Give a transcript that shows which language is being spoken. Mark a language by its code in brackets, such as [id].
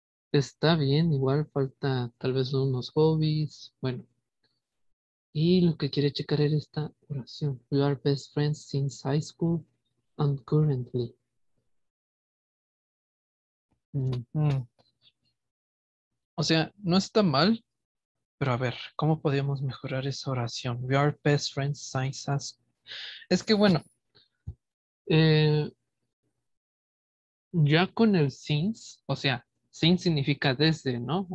[es] Está bien, igual falta tal vez unos hobbies. Bueno, y lo que quiere checar es esta oración. [en] We are best friends since high school and currently. [es] O sea, no está mal, pero a ver, ¿cómo podemos mejorar esa oración? We are best friends since high school. Es que bueno, ya con el since, o sea, sin significa desde, ¿no?